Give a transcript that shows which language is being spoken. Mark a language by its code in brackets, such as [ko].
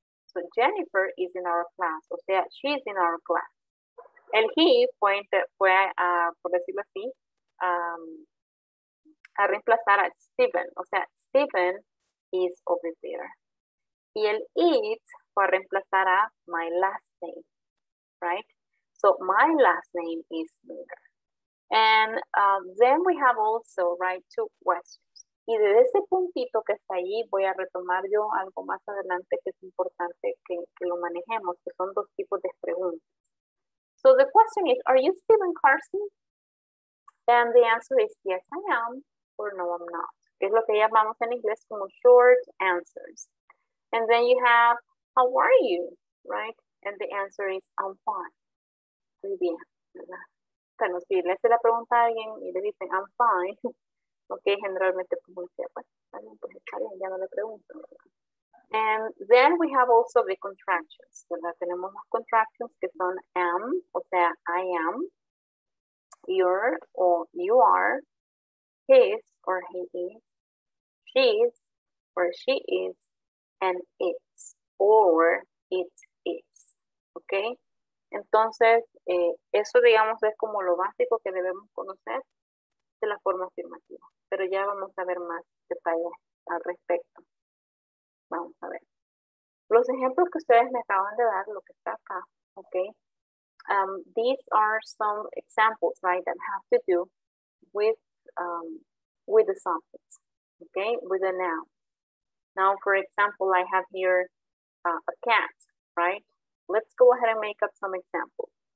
[en] So Jennifer is in our class. [es] O sea, [en] she is in our class. [es] El he fue a reemplazar a Stephen. O sea, [en] Stephen is over there. [es] Y el it fue a reemplazar a [en] my last name. Right? So my last name is Miller. And then we have also, right, two questions. [es] Y de ese puntito que está ahí, voy a retomar yo algo más adelante que es importante que lo manejemos, que son dos tipos de preguntas. [en] So the question is, are you still in Carson? And the answer is, yes, I am, or no, I'm not. [es] Es lo que llamamos en inglés como short answers. [en] And then you have, how are you, right? And the answer is, I'm fine. [es] Muy bien, ¿verdad? Bueno, si le hace la pregunta a alguien y le dicen, [en] I'm fine, [es] ok, generalmente como decía, pues, alguien pues está bien, ya no le pregunto, ¿verdad? [en] And then we have also the contractions, ¿verdad? [es] Tenemos las [en] contractions que son am, o sea, I am, you're, o you are, his, or he is, she's, or she is, and it's, or it is, ¿ok? [es] Entonces, eso digamos es como lo básico que debemos conocer de la forma afirmativa. Pero ya vamos a ver más detalles al respecto. Vamos a ver. Los ejemplos que ustedes me acaban de dar, lo que está acá, ¿ok? [en] These are some examples, right, that have to do with the subjects, ¿ok? With the noun. Now, for example, I have here a cat, right? Let's go ahead and make up some examples.